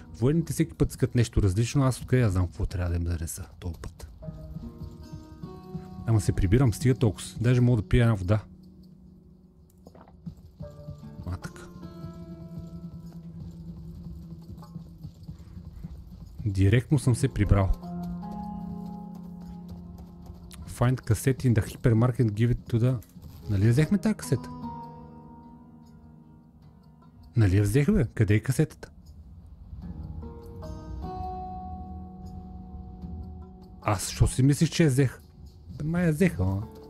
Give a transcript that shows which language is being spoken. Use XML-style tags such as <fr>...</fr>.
<bg>Военните всеки път искат нещо различно, аз откъде я знам какво трябва да им занеса този път. Ама се прибирам, стига толкова. Даже мога да пия една вода. А така. Директно съм се прибрал.</bg> <en>Find cassette in the hypermarket, give it to the...</en> <bg>Нали взехме тази касета? Нали я взехме? Къде е касетата? Аз що си мислиш, че я взех? Да май я взеха, ама.</bg>